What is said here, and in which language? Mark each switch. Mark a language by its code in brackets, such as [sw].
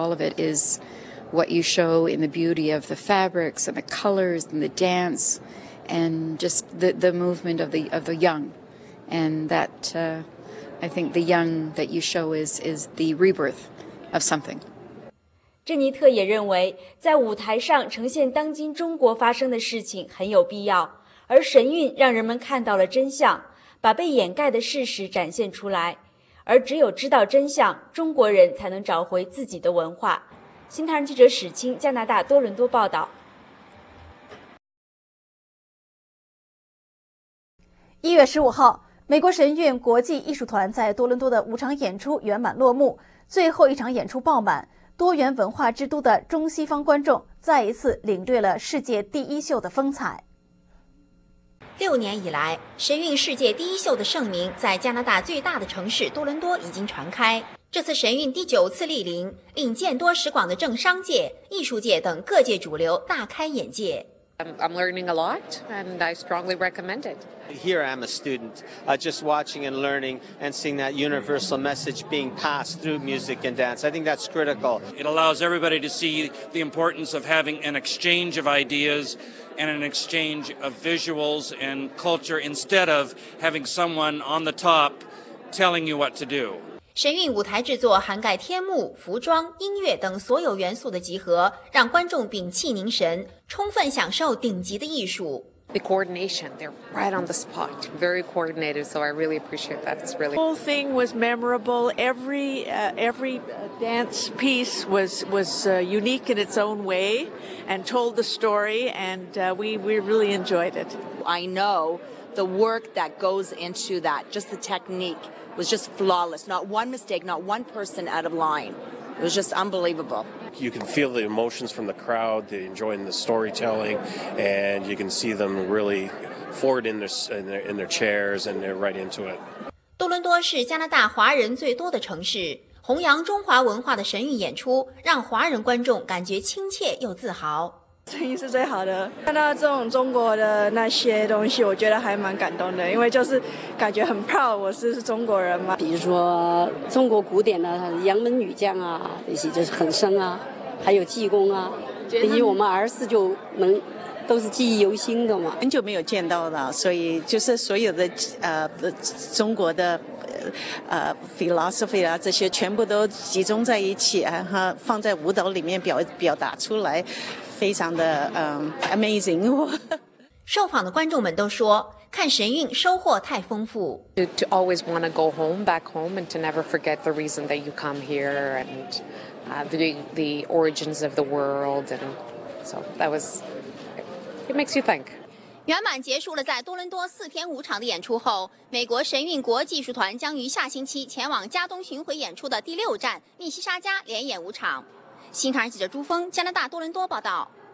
[en] All of it is what you show in the beauty of the fabrics and the colors and the dance and just the movement of the young. And that, I think the young that you show is the rebirth of something. [zh] 珍妮特也认为，在舞台上呈现当今中国发生的事情很有必要，而神韵让人们看到了真相，把被掩盖的事实展现出来，而只有知道真相，中国人才能找回自己的文化。新唐人记者史清，加拿大多伦多报道。 1月15号，美国神韵国际艺术团在多伦多的五场演出圆满落幕，最后一场演出爆满。多元文化之都的中西方观众再一次领略了世界第一秀的风采。六年以来，神韵世界第一秀的盛名在加拿大最大的城市多伦多已经传开。这次神韵第九次莅临，令见多识广的政商界、艺术界等各界主流大开眼界。 [en] I'm learning a lot, and I strongly recommend it. Here I am a student, just watching and learning and seeing that universal message being passed through music and dance. I think that's critical. It allows everybody to see the importance of having an exchange of ideas and an exchange of visuals and culture instead of having someone on the top telling you what to do. [zh] 神韵舞台制作涵盖天幕、服装、音乐等所有元素的集合，让观众屏气凝神，充分享受顶级的艺术。 [en] The coordination, they're right on the spot, very coordinated, so I really appreciate that. It's really the whole thing was memorable. Every dance piece was unique in its own way and told the story, and we really enjoyed it. I know the work that goes into that, just the technique.Was just flawless, not one mistake, not one person out of line. It was just unbelievable. You can feel the emotions from the crowd, they're enjoying the storytelling, and you can see them really forward in their chairs, and they're right into it. [zh] 多伦多是加拿大华人最多的城市，弘扬中华文化的神韵演出让华人观众感觉亲切又自豪。声音是最好的，看到这种中国的那些东西，我觉得还蛮感动的，因为就是感觉很 proud 我是中国人嘛。比如说中国古典的杨门女将啊，这些就是很深啊，还有济公啊，比我们儿子就能都是记忆犹新的嘛。很久没有见到了，所以就是所有的中国的philosophy 啊，这些全部都集中在一起，然后放在舞蹈里面表达出来，非常的amazing。受访的观众们都说，看神韵收获太丰富。 [en] To always want to go home, back home, and to never forget the reason that you come here and the origins of the world, and so that was it makes you think. [zh] 圆满结束了在多伦多四天五场的演出后，美国神韵国技术团将于下星期前往加东巡回演出的第六站密西沙加连演五场。新唐人记者朱峰，加拿大多伦多报道。